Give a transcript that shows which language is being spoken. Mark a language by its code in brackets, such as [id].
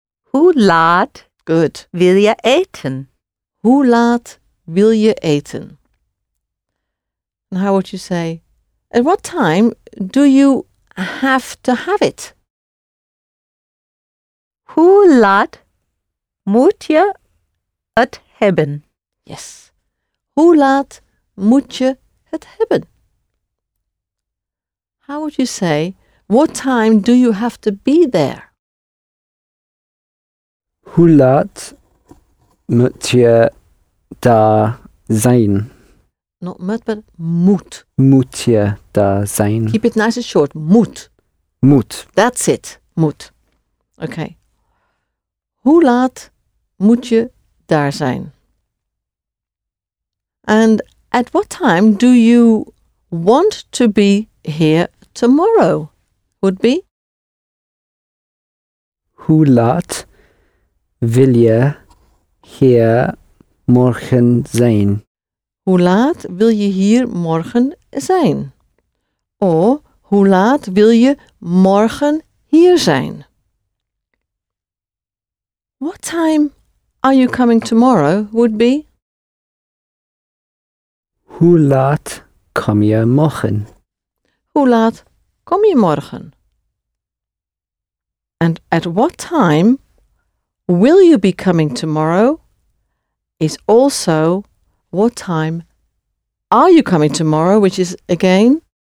[nl] Hoe laat [en] good [nl] wil je eten? Hoe laat wil je eten? [en] And how would you say, at what time do you have to have it? [nl] Hoe laat moet je het hebben? [en] Yes. [nl] Hoe laat moet je het hebben? [en] How would you say, what time do you have to be there? [nl] Hoe laat moet je daar zijn? [en] Not met, but moet. [nl] Moet je daar zijn. [en] Keep it nice and short. Moet. [nl] Moet. [en] That's it. Moet. Okay. [nl] Hoe laat moet je daar zijn? [en] And at what time do you want to be here tomorrow? Would be? [nl] Hoe laat wil je hier morgen zijn? Hoe laat wil je hier morgen zijn? Of hoe laat wil je morgen hier zijn? [en] What time are you coming tomorrow would be? [nl] Hoe laat kom je morgen? Hoe laat kom je morgen? [en] And at what time will you be coming tomorrow is also what time are you coming tomorrow, which is again?